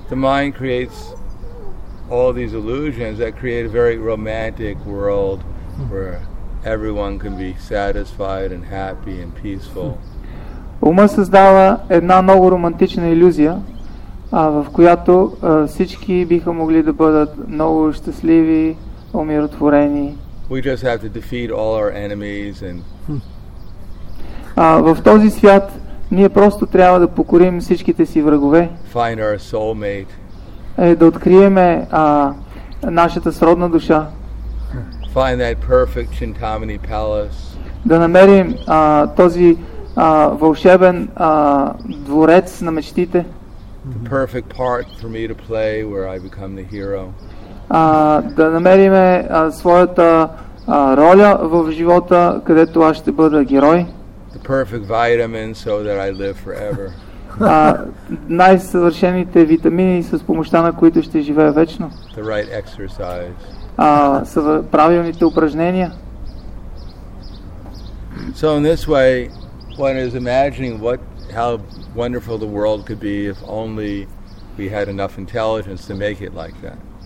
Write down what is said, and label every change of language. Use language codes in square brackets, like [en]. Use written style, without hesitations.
[en] The mind creates all these illusions that create a very romantic world where everyone can be satisfied and happy and peaceful. [bg] Ума създава една много романтична илюзия, в която всички биха могли да бъдат много щастливи, умиротворени. [en] We just have to defeat all our enemies and [bg] в този свят ние просто трябва да покорим всичките си врагове. [en] Find our soulmate. [bg] Да открием нашата сродна душа. [en] Find that perfect Chintamani palace. [bg] Да намерим този вълшебен дворец на мечтите. [en] The perfect part for me to play where I become the hero. [bg] Да намерим своята роля в живота, където аз ще бъда герой. [en] The perfect vitamin so that I live forever. [bg] Най-съвършените витамини, с помощта на които ще живея вечно. [en] The right exercise. [bg] Правилните упражнения. [en] So in this way, one is imagining what, how wonderful the world could be if only we had enough intelligence to make it like that.